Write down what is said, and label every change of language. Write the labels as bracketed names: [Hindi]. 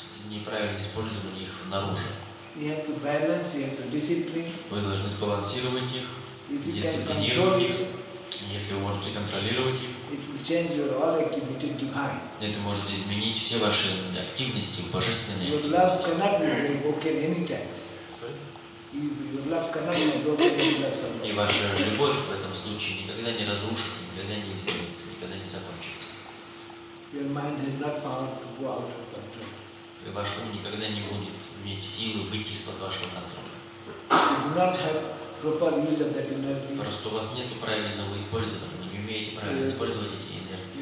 [Russian] Неправильное использование их наружу. [English] You have to balance, you have to discipline. [Russian] Вы должны сбалансировать их, дисциплинировать их. Если вы можете контролировать их, [English] it will change your all activity divine. [Russian] Это может изменить все ваши активности, божественные. [English] Your love cannot be broken anytime. Your love cannot be broken. [Russian] И ваша любовь в этом случае никогда не разрушится, никогда не изменится, никогда не закончится. [English] Your mind has not power to go out of control. [Russian] И ваш ум никогда не будет иметь силы выйти из-под вашего контроля. [English] You do not have proper use of that energy. [Russian] Просто у вас нет правильного использования, вы не умеете правильно использовать эти энергии.